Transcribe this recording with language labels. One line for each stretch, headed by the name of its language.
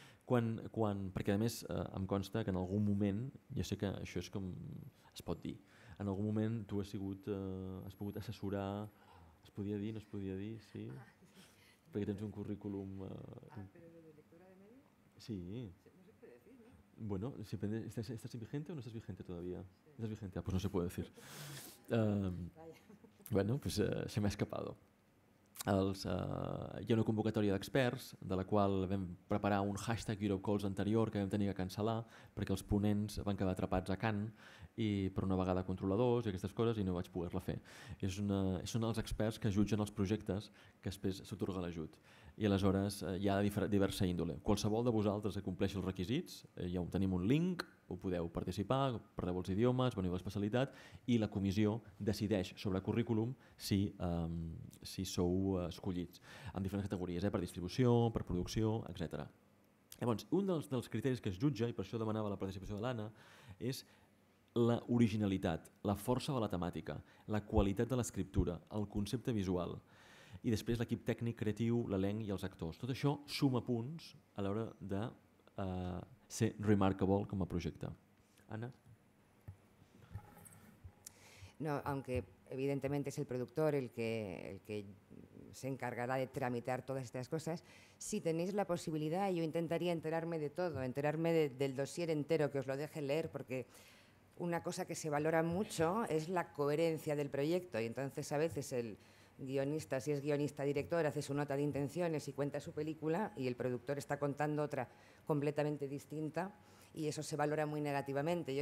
Catalan: Perquè, a més, em consta que en algun moment, ja sé que això és com es pot dir, en algun moment tu has pogut assessorar, es podia dir, no es podia dir, sí? Perquè tens un currículum... Sí.
Spanish: Bueno, ¿estás vigente o no estás vigente todavía? Sí. ¿Estás vigente? Ah, pues no se puede decir. Bueno, pues se me ha escapado.
Catalan: Hi ha una convocatòria d'experts, de la qual vam preparar un hashtag EuropeCalls anterior que vam tenir que cancel·lar perquè els ponents van quedar atrapats a Cannes i per una vegada controladors i aquestes coses i no vaig poder-la fer. Són els experts que jutgen els projectes que després s'otorga l'ajut. i aleshores hi ha diversa índole. Qualsevol de vosaltres que compleixi els requisits, ja tenim un link, ho podeu participar, perdeu els idiomes, veniu a l'especialitat i la comissió decideix sobre currículum si, si sou escollits en diferents categories, per distribució, per producció, etc. Llavors, un dels criteris que es jutja, i per això demanava la participació de l'Anna, és l'originalitat, la força de la temàtica, la qualitat de l'escriptura, el concepte visual, i després l'equip tècnic, creatiu, l'elenc i els actors. Tot això suma punts a l'hora de ser remarkable com a projecte. Anna?
Spanish: No, aunque evidentemente es el productor el que se encargará de tramitar todas estas cosas, si tenéis la posibilidad, yo intentaría enterarme de todo, enterarme del dossier entero, que os lo deje leer, porque una cosa que se valora mucho es la coherencia del proyecto, y entonces a veces el guionista, si es guionista director, hace su nota de intenciones y cuenta su película y el productor está contando otra completamente distinta y eso se valora muy negativamente.